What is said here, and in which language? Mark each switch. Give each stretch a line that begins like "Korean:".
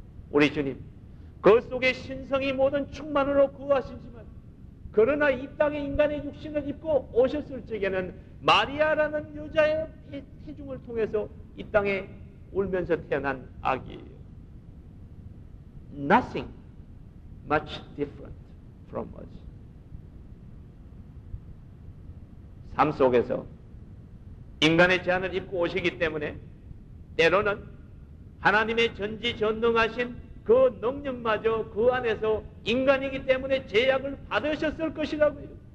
Korean: 우리 주님 그 속에 신성이 모든 충만으로 구하시지만 그러나 이 땅에 인간의 육신을 입고 오셨을 적에는 마리아라는 여자의 태중을 통해서 이 땅에 울면서 태어난 아기예요.
English: Nothing much different from us.
Korean: 삶 속에서 인간의 제한을 입고 오시기 때문에 때로는 하나님의 전지전능하신 그 능력마저 그 안에서 인간이기 때문에 제약을 받으셨을 것이라고요.